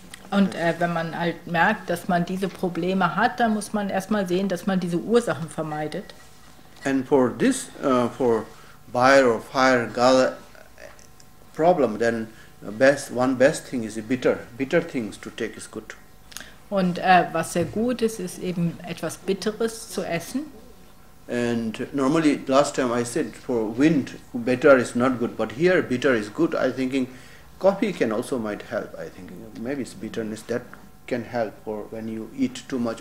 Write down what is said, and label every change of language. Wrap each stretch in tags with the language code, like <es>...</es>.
<de>Und wenn man halt merkt, dass man diese Probleme hat, dann muss man erstmal sehen, dass man diese Ursachen vermeidet.</de> <en>And for this, for bile or fire gala problem, then one best thing is bitter things to take is good.</en> <de>Und was sehr gut ist, ist eben etwas Bitteres zu essen.</de> <en>And normally last time I said for wind, bitter is not good, but here bitter is good. I thinking coffee can also might help. I think maybe it's bitterness that can help for when you eat too much.</en>